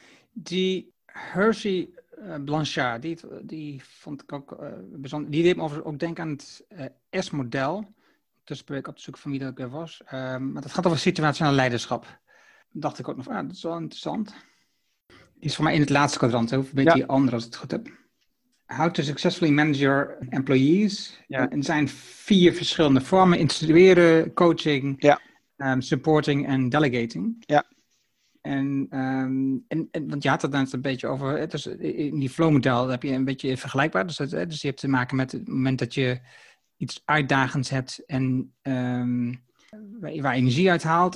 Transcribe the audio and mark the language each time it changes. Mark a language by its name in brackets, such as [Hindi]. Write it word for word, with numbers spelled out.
[Dutch] Die Hershey uh, Blanchard, die, die vond ik ook uh, bijzonder. Die deed me overigens ook denken aan het uh, S-model. Dus ben ik op de zoek van wie dat ook weer was. Um, maar dat gaat over situationeel leiderschap. Dacht ik ook nog, ah, dat is wel interessant. Die is voor mij in het laatste kwadrant, hè? Of een beetje ja. Anders als ik het goed heb. [English] How to successfully manage your employees. [Dutch] Ja. En er zijn vier verschillende vormen. Instrueren, coaching, ja. um, supporting en delegating. Ja. En, um, en, en, want je had het net een beetje over, hè? Dus in die flow-model heb je een beetje vergelijkbaar. Dus, dat, hè? Dus je hebt te maken met het moment dat je iets uitdagends hebt en um, waar, waar energie uit haalt.